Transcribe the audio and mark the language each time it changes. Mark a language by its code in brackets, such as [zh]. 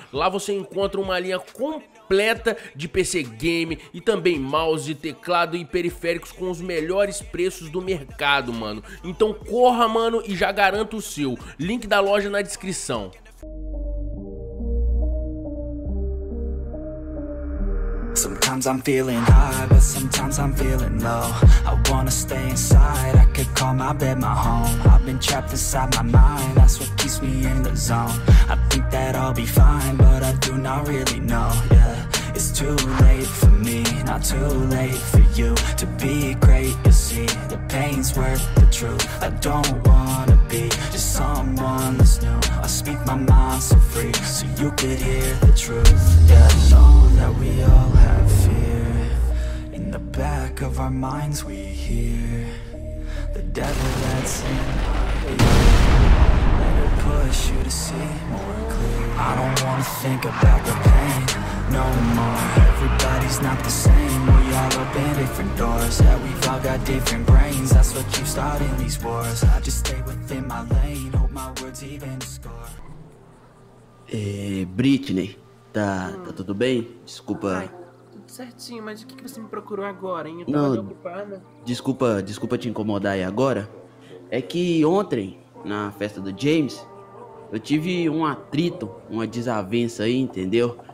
[pt] Lá você encontra uma linha completa de PC game e também mouse, teclado e periféricos com os melhores preços do mercado, mano. Então corra, mano, e já garanta o seu. Link da loja na descrição. [en] Sometimes I'm feeling high, but sometimes I'm feeling low. I wanna stay inside, I could call my bed my home. I've been trapped inside my mind, that's what keeps me in the zone. I think that I'll be fine, but I do not really know. Yeah, it's too late for me, not too late for you. To be great, you see, the pain's worth the truth. I don't wanna be just someone that's new. I speak my mind so free, so you could hear the truth. Yeah, I know that we all have fear. In the back of our minds we hear the devil that's in our ear. Let it push you to see more clear. I don't wanna think about the pain no more. Everybody's not the same. We all open different doors. Yeah, we've all got different brains. That's what keeps starting these wars. I just stay within my lane. Hope my words even score. [pt] Britney, tá, tá tudo bem? Desculpa. Ai, tudo certinho, mas o que você me procurou agora, hein? Eu tava não, preocupada. Desculpa te incomodar aí agora. É que ontem, na festa do James, eu tive um atrito, uma desavença aí, entendeu?